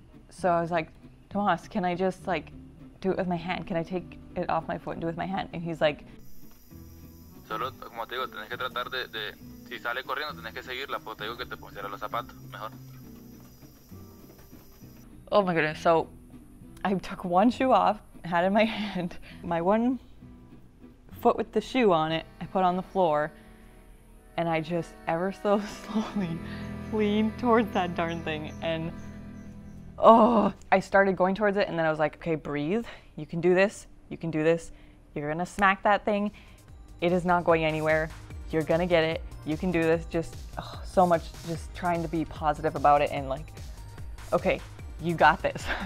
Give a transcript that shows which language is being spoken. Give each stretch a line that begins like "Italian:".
English: So I was like, Tomas, can I just like do it with my hand? Can I take it off my foot and do it with my hand? And he's like,
Spanish: solo como te digo, tenés que tratar de si sale corriendo, tenés que seguirla, porque te digo que te pusiera los zapatos mejor.
English: Oh my goodness. So I took one shoe off, had it in my hand, my one foot with the shoe on it, I put on the floor, and I just ever so slowly leaned towards that darn thing, and oh, I started going towards it, and then I was like, okay, breathe, you can do this, you can do this, you're gonna smack that thing, it is not going anywhere, you're gonna get it, you can do this, just oh, so much just trying to be positive about it, and like, okay, you got this.